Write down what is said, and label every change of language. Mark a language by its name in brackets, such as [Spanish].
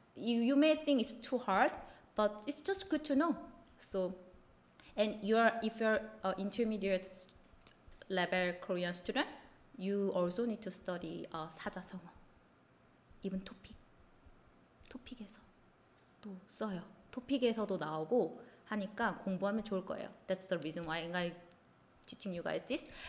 [English] You may think it's too hard, but it's just good to know. So, and if you're an intermediate level Korean student, you also need to study 사자성어, even topic. [Korean] 토픽에서도 써요. 토픽에서도 나오고 하니까 공부하면 좋을 거예요. [English] That's the reason why I'm teaching you guys this.